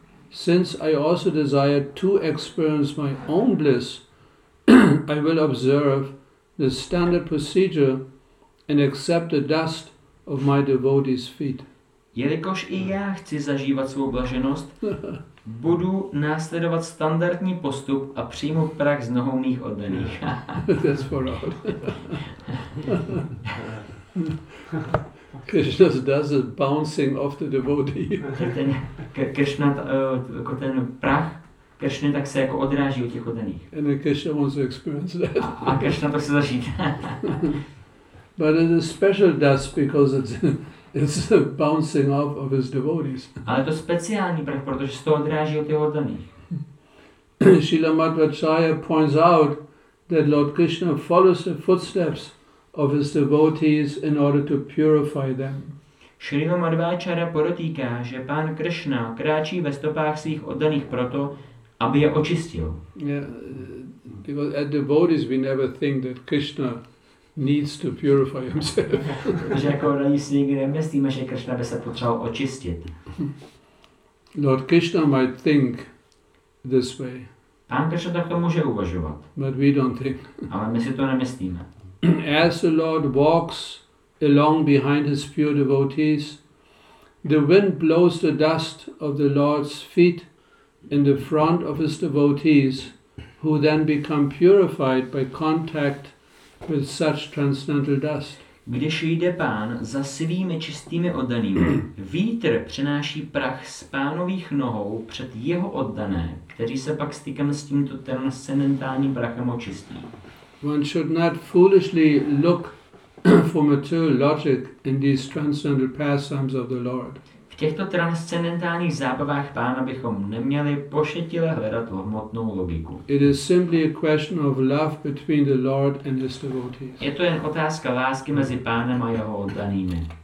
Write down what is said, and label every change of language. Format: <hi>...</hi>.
<en>Since I also desire to experience my own bliss, I will observe the standard procedure and accept the dust of my devotee's feet.</en> <cs>Jelikož i já chci zažívat svou blaženost, budu následovat standardní postup a přijmu prach z nohou mých oddaných.</cs> <en>That's for all. Krishna's dust is bouncing off the devotee.</en> <cs>Krishna, jako ten prach, Krishna tak se jako odráží od těch oddaných.</cs> <en>And Krishna wants to experience that.</en> <cs>A Krishna to chce zažít.</cs> <en>But it's a special dust because it's bouncing off of his devotees.</en> <cs>Ale to speciální prach, protože se to odráží od těch oddaných.</cs> <en>Srila Madhvacharya points out that Lord Krishna follows the footsteps of his devotees in order to purify them.</en> <cs>Srila Madhvacharya podotýká, že pán Krishna kráčí ve stopách svých oddaných proto, aby je očistil.</cs> <en>Yeah, because as devotees we never think that Krishna needs to purify himself.</en> <cs>Že jako oni si nikdy nemyslíme, že Krishna by se potřeboval očistit.</cs> <en>Lord Krishna might think this way.</en> <cs>Pán Krishna tak to může uvažovat.</cs> <en>But we don't think.</en> <cs>Ale my si to nemyslíme.</cs> <en>As the Lord walks along behind his pure devotees, the wind blows the dust of the Lord's feet in the front of his devotees, who then become purified by contact with such transcendental dust.</en> <cs>Když jde pán za svými čistými oddanými, vítr přenáší prach z pánových nohou před jeho oddané, kteří se pak stykem s tímto transcendentálním prachem očistí.</cs> <en>One should not foolishly look for material logic in these transcendental pastimes of the Lord.</en> <cs>V těchto transcendentálních zábavách pána bychom neměli pošetile hledat hmotnou logiku. It is simply a question of love between the Lord and his devotees. Je to jen otázka lásky mezi pánem a jeho oddanými.</cs>